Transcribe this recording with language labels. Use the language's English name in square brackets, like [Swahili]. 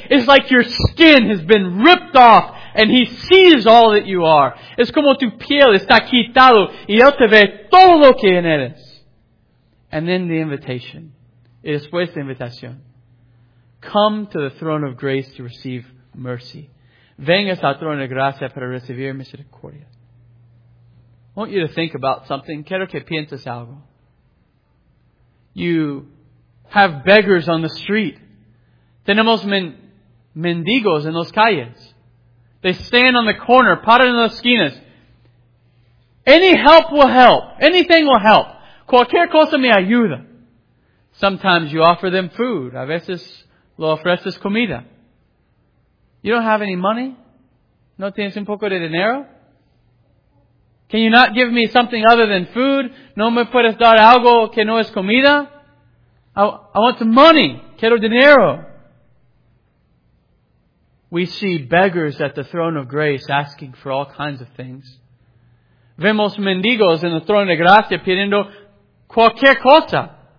[English] It's like your skin has been ripped off. And He sees all that you are. [Spanish] Es como tu piel está quitado y Él te ve todo lo que en eres. [English] And then the invitation. [Spanish] Y después la invitación. [English] Come to the throne of grace to receive mercy. [Spanish] Vengas al trono de gracia para recibir misericordia. [English] I want you to think about something. [Spanish] Quiero que pienses algo. [English] You have beggars on the street. [Spanish] Tenemos mendigos en las calles. [English] They stand on the corner, [Spanish] parado en las esquinas. [English] Any help will help. Anything will help. [Spanish] Cualquier cosa me ayuda. [English] Sometimes you offer them food. [Spanish] A veces lo ofreces comida. [English] You don't have any money? [Spanish] ¿No tienes un poco de dinero? [English] Can you not give me something other than food? [Spanish] ¿No me puedes dar algo que no es comida? [English] I want some money. [Spanish] Quiero dinero. [English] We see beggars at the throne of grace asking for all kinds of things. [Spanish] Vemos mendigos en el trono de gracia pidiendo cualquier cosa.